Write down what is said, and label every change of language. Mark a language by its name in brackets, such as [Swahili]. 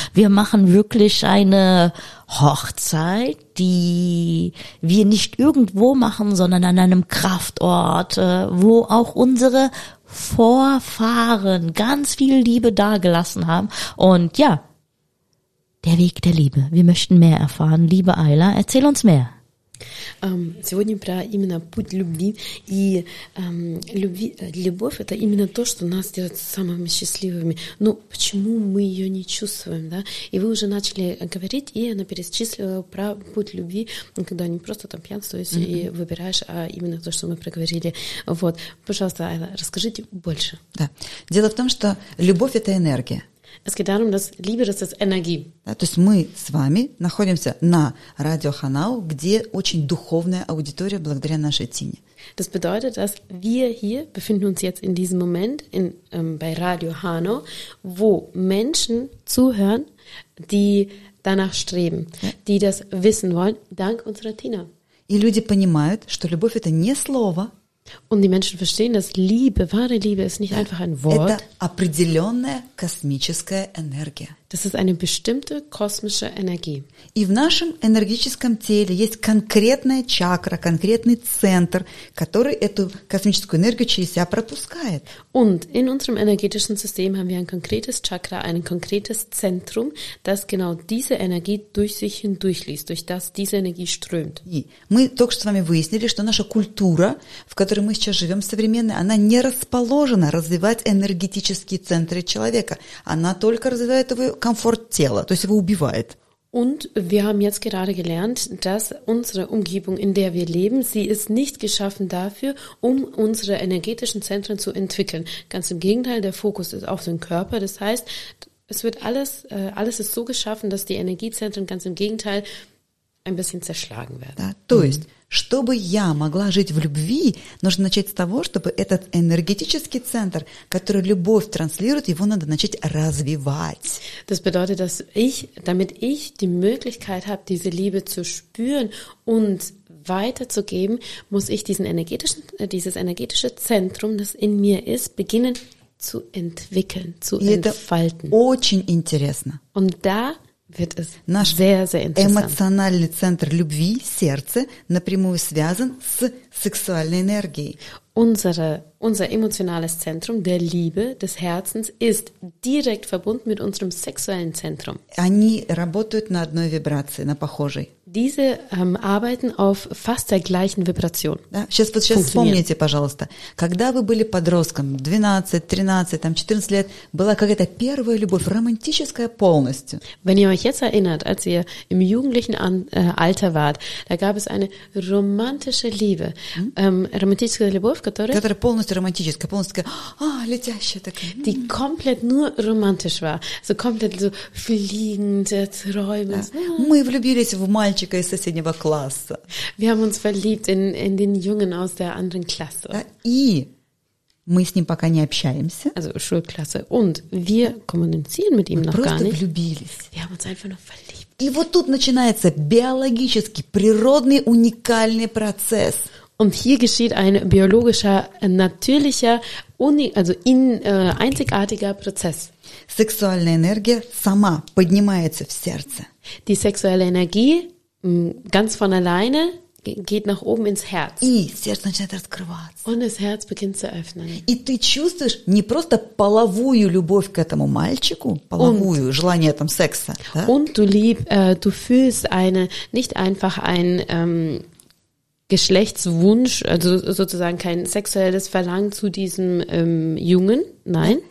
[German] Wir machen wirklich eine Hochzeit, die wir nicht irgendwo machen, sondern an einem Kraftort, wo auch unsere Vorfahren ganz viel Liebe dagelassen haben. Und ja, Der Weg der Liebe. Wir möchten mehr erfahren. Liebe Айла, erzähl uns mehr. [Russian] Сегодня про именно путь любви. И любовь – это именно то, что нас делает самыми счастливыми. Но почему мы ее не чувствуем? Да? И вы уже начали говорить, и она перечислила про путь любви, когда не просто там пьянствуешь и выбираешь, а именно то, что мы проговорили. Вот. Пожалуйста, Айла, расскажите больше. Да. Дело в том, что любовь – это энергия. [German] Es geht darum, dass Liebe das ist Energie. [Russian] Да, то есть мы с вами находимся на Радио Ханау, где очень духовная аудитория благодаря нашей Тине. [German] Das bedeutet, dass wir hier befinden uns jetzt in diesem Moment in, bei Radio Hanau, wo Menschen zuhören, die danach streben, die das wissen wollen, dank unserer Tina. [Russian] И люди понимают, что любовь – это не слово. [German] Und die Menschen verstehen, dass Liebe, wahre Liebe, ist nicht einfach ein Wort. [Russian] Это определенная космическая энергия. [German] Das ist eine bestimmte kosmische Energie. [Russian] И в нашем энергетическом теле есть конкретная чакра, конкретный центр, который эту космическую энергию через себя пропускает. [German] Und in unserem energetischen System haben wir ein konkretes Chakra, ein konkretes Zentrum, das genau diese Energie durch sich hindurchliest, durch das diese Energie strömt. [Russian] И мы только что с вами выяснили, что наша культура, в которой мы сейчас живем, современная, она не расположена развивать энергетические центры человека. Она только развивает его комфорт тела, то есть его убивает. [German] Und wir haben jetzt gerade gelernt, dass unsere Umgebung, in der wir leben, sie ist nicht geschaffen dafür, um unsere energetischen Zentren zu entwickeln. Ganz im Gegenteil, der Fokus ist auf den Körper. Das heißt, es wird alles, alles ist so geschaffen, dass die Energiezentren ganz im Gegenteil ein bisschen zerschlagen werden. [Russian] Да, то есть, чтобы я могла жить в любви, нужно начать с того, чтобы этот энергетический центр, который любовь транслирует, его надо начать развивать. [German] Das bedeutet, dass ich, damit ich die Möglichkeit habe, diese Liebe zu spüren und weiterzugeben, muss ich diesen energetischen, dieses energetische Zentrum, das in mir ist, beginnen zu entwickeln, zu entfalten. [Russian] Очень интересно. [German] Und da wird es [Russian] Наш [German] sehr, sehr [Russian] эмоциональный центр любви, сердце, напрямую связан с сексуальной энергией. [German] Unser emotionales Zentrum der Liebe, des Herzens, ist direkt verbunden mit unserem sexuellen Zentrum. [Russian] Они работают на одной вибрации, на похожей. [German] Diese arbeiten auf fast der gleichen Vibration. [Russian] Да? Сейчас вспомните, пожалуйста, когда вы были подростком, 12, 13, там, 14 лет, была какая-то первая любовь, романтическая полностью. [German] Wenn ihr euch jetzt erinnert, als ihr im jugendlichen Alter wart, da gab es eine romantische Liebe, [Russian] romantическая любовь, которая полностью романтическая, полностью такая, летящая такая. [German] Die komplett nur romantisch war. So komplett so fliegend, träumend. [Russian] Да. Мы влюбились в мальчика из соседнего класса. [German] Wir haben uns verliebt in den Jungen aus der anderen Klasse. [Russian] Да. И мы с ним пока не общаемся. [German] Also Schulklasse. Und wir kommunizieren mit ihm [Russian] мы [German] noch gar nicht. [Russian] Просто влюбились. [German] Wir haben uns einfach nur verliebt. [Russian] И вот тут начинается биологический, природный, уникальный процесс. [German] Und hier geschieht ein biologischer, natürlicher, einzigartiger Prozess. [Russian] Сексуальная энергия сама поднимается в сердце. [German] Die sexuelle Energie ganz von alleine geht nach oben ins Herz. [Russian] И сердце начинает раскрываться. [German] Und das Herz beginnt zu öffnen. [Russian] И ты чувствуешь не просто половую любовь к этому мальчику, половую, [German] und, [Russian] желание там секса. Да? [German] Und du, du fühlst eine, nicht einfach ein... Geschlechtswunsch, also sozusagen kein sexuelles Verlangen zu diesem Jungen, nein.